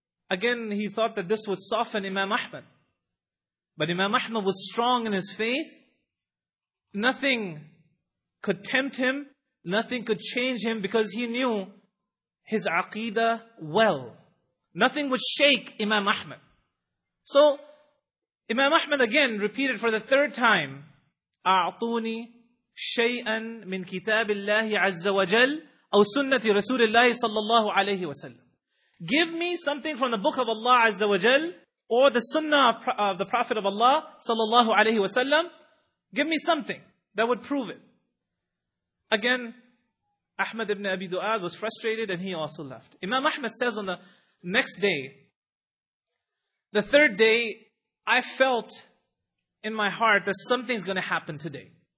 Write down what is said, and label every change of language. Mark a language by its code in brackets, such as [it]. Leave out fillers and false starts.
[en] Again, he thought that this would soften Imam Ahmad. But Imam Ahmad was strong in his faith. Nothing could tempt him. Nothing could change him because he knew his aqidah well. Nothing would shake Imam Ahmad. So, Imam Ahmad again repeated for the third time, [ar] أَعْطُونِي شَيْئًا مِنْ كِتَابِ اللَّهِ عَزَّ وَجَلْ أَوْ سُنَّةِ رَسُولِ اللَّهِ صَلَّى اللَّهُ عَلَيْهِ وَسَلَّمْ. [en] Give me something from the Book of Allah Azza wa Jal or the Sunnah of the Prophet of Allah sallallahu alayhi wa sallam. Give me something that would prove it. Again, Ahmad ibn Abi Du'ad was frustrated and he also left. Imam Ahmad says on the next day, the third day, I felt in my heart that something's going to happen today.